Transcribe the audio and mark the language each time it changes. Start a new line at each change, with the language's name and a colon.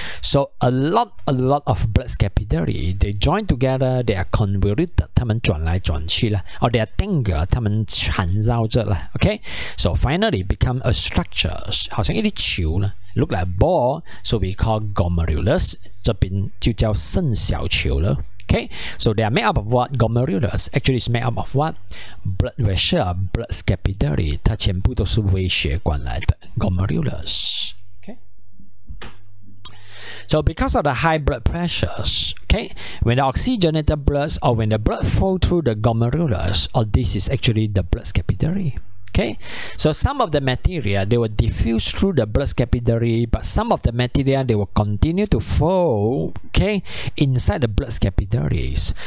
English: So a lot of blood capillary They join together, they are convoluted
Chinese: 它们转来转去了
English: Or they are tangled,
Chinese: 它们缠绕着了
English: OK, so finally become a structure
Chinese: 好像一粒球呢
English: Look like a ball, so we call glomerulus.
Chinese: 这边就叫肾小球了。
English: Okay, so they are made up of what? Glomerulus actually is made up of what? Blood vessel, blood capillary.
Chinese: 它全部都是微血管来的。
English: Glomerulus. So because of the high blood pressures, okay, when the oxygenated blood or when the blood flow through the glomerulus, or this is actually the blood capillary. Okay, so some of the material, they will diffuse through the blood capillary, but some of the material, they will continue to flow, okay, inside the blood capillaries.